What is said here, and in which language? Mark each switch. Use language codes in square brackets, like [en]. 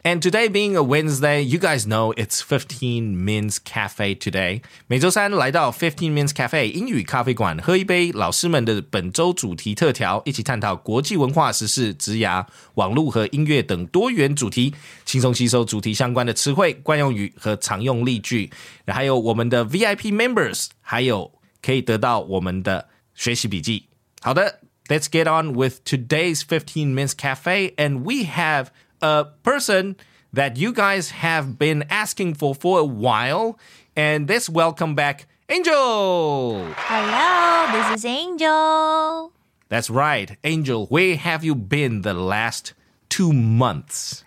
[en] And today being a Wednesday, you guys know it's 15 Minutes Cafe today. [zh] 每周三来到 15 Minutes Cafe 英语咖啡馆，喝一杯老师们的本周主题特调，一起探讨国际文化时事、职涯、网络和音乐等多元主题，轻松吸收主题相关的词汇、惯用语和常用例句。还有我们的 VIP members， 还有可以得到我们的学习笔记。好的。 [en] Let's get on with today's 15 Minutes Cafe, and we have a person that you guys have been asking for a while, and let's welcome back Angel! Hello, this is Angel! That's right, Angel, where have you been the last 2 months?